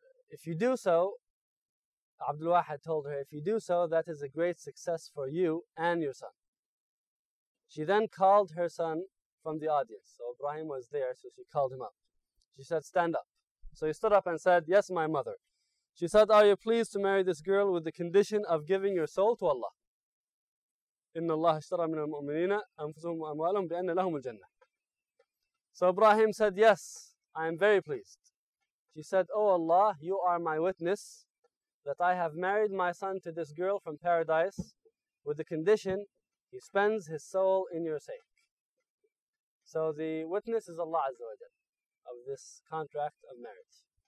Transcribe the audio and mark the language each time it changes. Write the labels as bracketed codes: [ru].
[en] If you do so, Abdul Wahid told her, if you do so, that is a great success for you and your son. She then called her son from the audience. So Ibrahim was there, so she called him up. She said, stand up. So he stood up and said, yes, my mother. She said, are you pleased to marry this girl with the condition of giving your soul to Allah? [ar] إِنَّ اللَّهَ اشْتَرَى مِنَ الْمُؤْمِنِينَ أَنفُسُهُمْ وَأَمْوَالُهُمْ بِأَنَّ لَهُمُ الْجَنَّةِ [en] So Ibrahim said, yes, I am very pleased. She said, oh Allah, you are my witness that I have married my son to this girl from paradise with the condition he spends his soul in your sake. So the witness is Allah Azza wa Jal of this contract of marriage.